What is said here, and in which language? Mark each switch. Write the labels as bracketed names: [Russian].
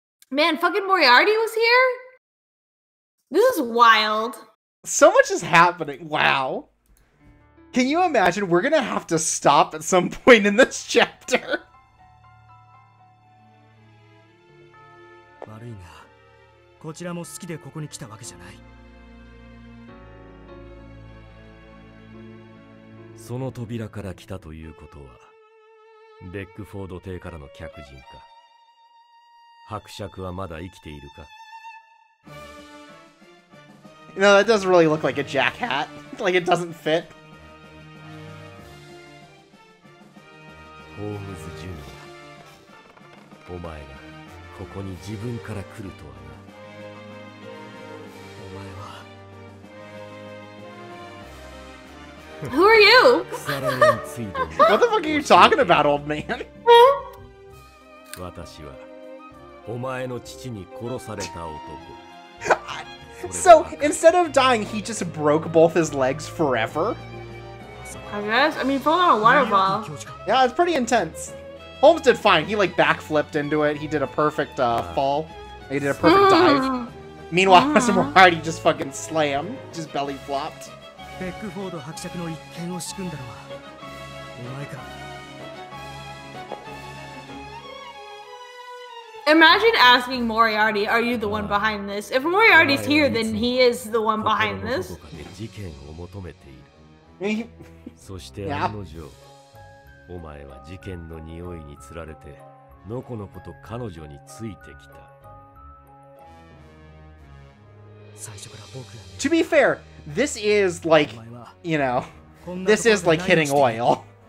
[English] Man, fucking Moriarty was here? This is wild. So much is happening. Wow. Can you imagine? We're gonna have to stop at some point in this chapter. [Japanese] こちらも好きでここに来たわけじゃない。その扉から来たということは、ベックフォード邸からの客人か。伯爵はまだ生きているか。 [English] No, that doesn't really look like a jack hat. Like it doesn't fit. [Japanese] ホームズ・ジュニア、お前がここに自分から来るとは。 [English] Who are you? What the fuck are you talking about, old man? [Japanese] 私はお前の父に殺された男。 [English] So instead of dying, he just broke both his legs forever? I guess. I mean, fell on a water bottle. Yeah, it's pretty intense. Holmes did fine. He like backflipped into it. He did a perfect fall. He did a perfect dive. Meanwhile, Mr. Hardy just fucking slammed. Just belly flopped. [Japanese] ベックフォード伯爵の一件を仕組んだのはお前か。 [English] Imagine asking Moriarty, are you the one behind this? If Moriarty's here, then he is the one behind this. [Japanese] 心のどこかで事件を求めている。そしてあの女、お前は事件の匂いにつられて、のこのこと彼女についてきた。最初から僕が。 [English] To be fair,This is like, you know, this is like hitting oil.